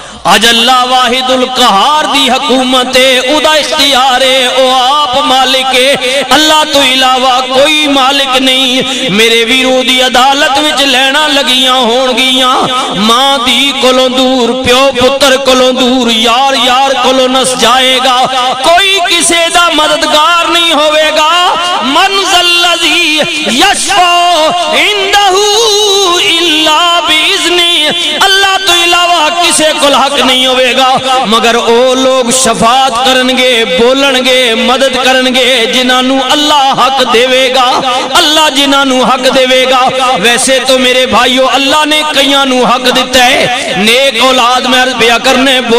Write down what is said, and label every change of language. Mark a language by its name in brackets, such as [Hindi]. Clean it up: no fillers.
[Punjabi] اج اللہ واحد القہار دی حکومت ہے اودا اختیار ہے او مالک اللہ تو علاوہ کوئی مالک نہیں. میرے ویرو دی عدالت وچ لینا لگیاں ہون گیاں ماں دی کولوں دور پیو پتر کولوں دور یار یار کولوں نس جائے گا کوئی کسے دا مددگار نہیں ہوے گا. [Arabic] من ذلذی یشفع عندہ الا باذنہ. [Punjabi] اللہ تو علاوہ کسے کول حق نہیں ہوے گا مگر او لوگ شفاعت کرن گے بولن گے مدد کرن گے جنہاں نو اللہ حق دے گا اللہ جنہاں نو حق دے گا. ویسے تو میرے بھائیو اللہ نے کئیاں نو حق دتا ہے نیک اولاد میں عرض پیا کرنے بول